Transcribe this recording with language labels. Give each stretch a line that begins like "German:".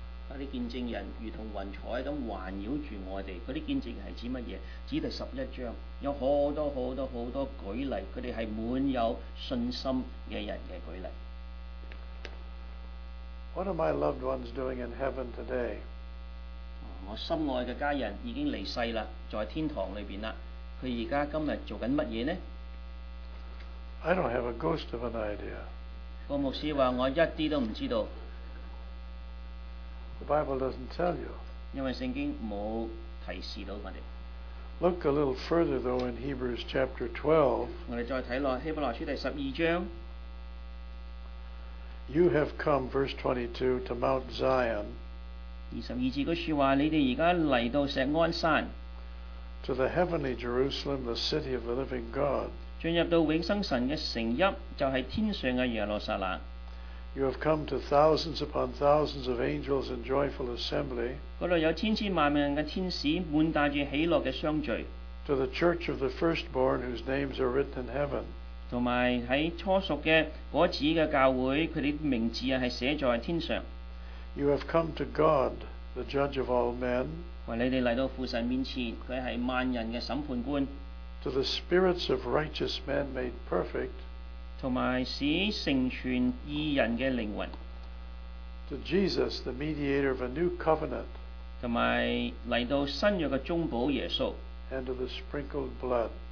Cantonese: 那些見證人如同雲彩咁環繞住我哋，嗰啲見證係指乜嘢？指第十一章有好多好多好多舉例，佢哋係滿有信心嘅人嘅舉例。
English: What are my loved ones doing in heaven today?
Cantonese: 我心愛嘅家人已經離世啦，在天堂裏邊啦。佢而家今日做緊乜嘢呢
English: ？I don't have a ghost of an idea.
Cantonese: 個牧師話：我一啲都唔知道。
English: The Bible doesn't tell you.
Cantonese: 因為聖經冇提示到我哋。
English: Look a little further though in Hebrews chapter 12.
Cantonese: 我哋再睇落希伯來書第十二章。
English: You have come, verse 22, to Mount Zion.
Cantonese: 22節嗰説話，你哋而家嚟到石安山。
English: To the heavenly Jerusalem, the city of the living God.
Cantonese: 進入到永生神嘅城邑，就係天上嘅耶路撒冷。
English: You have come to thousands upon thousands of angels in joyful assembly.
Cantonese: 嗰度有千千萬萬嘅天使，滿帶住喜樂嘅相聚。
English: To the church of the firstborn, whose names are written in heaven.
Cantonese: 同埋喺初熟嘅果子嘅教会，佢哋名字啊系写在天上。
English: You have come to God, the judge of all men.
Cantonese: 为你哋嚟到父神面前，佢系万人嘅审判官。
English: To the spirits of righteous men made perfect.
Cantonese: 同埋使成全义人嘅灵魂。
English: To Jesus, the mediator of a new covenant.
Cantonese: 同埋嚟到新约嘅中保耶稣。
English: And to the sprinkled blood.